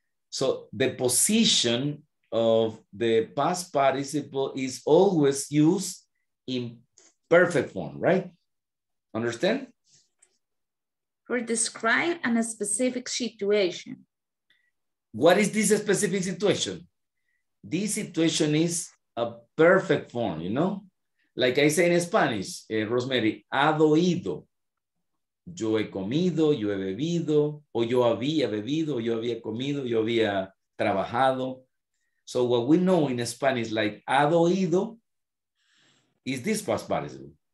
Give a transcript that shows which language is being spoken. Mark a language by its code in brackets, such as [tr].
[en] So the position of the past participle is always used in perfect form, right? Understand? For describe a specific situation. What is this specific situation? This situation is a perfect form, you know? Like I say in Spanish, Rosemary, ado ido. [es] Yo he comido, yo he bebido, o yo había bebido, yo había comido, yo había trabajado. [en] So what we know in Spanish, like ado ido, is this past participle.